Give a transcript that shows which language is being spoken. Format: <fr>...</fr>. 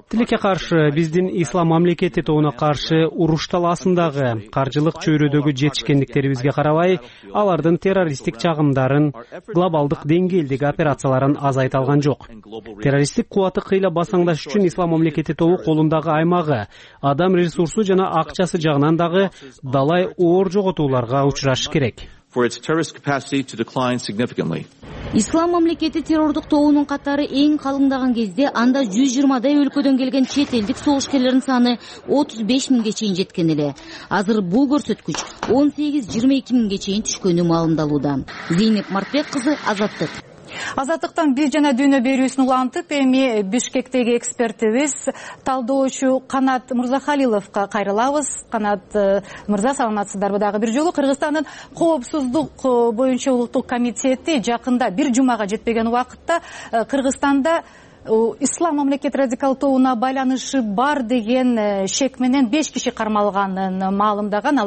<ky>Тилекке каршы биздин ислам мамлекети тоуна каршы урушталасындагы каржылык чөйрөдөгү жетишкендиктерибизге карабай, алардын террористтик чагымдарын, глобалдык деңгээлдеги операцияларын азайта алган жок. Террористтик кубаты кыйла басаңдаш үчүн ислам мамлекети тобу колундагы аймагы, адам ресурсу жана акчасы жагынан дагы далай оор жоготууларга учурашы керек.</ky> <en>For its terrorist capacity to decline significantly.</en> <ky>Ислам мамлекети террордук тобунун катары эң калыңдаган кезде анда 120 өлкөдөн келген чет элдик согушкерлердин саны 35 миңге чейин жеткен эле. Азыр бул көрсөткүч 18-22 миңге чейин түшкөнү маалымдалууда. Зейнеп Мартбек кызы, Азаттык. Азаттыктан бир жана дүйнө берүүсүн улантып, эми Бишкектеги экспертибиз талдоочу Канат Мырзахалиловго кайрылабыз. Канат мырза, саламатсыздарбы? Дагы бир жолу Кыргызстандын коопсуздук боюнча улуттук комитети жакында бир жумага жетпеген убакытта Кыргызстанда ислам мамлекети радикал тобуна байланышы бар деген шек менен 5 киши кармалганын маалымдаган.</ky>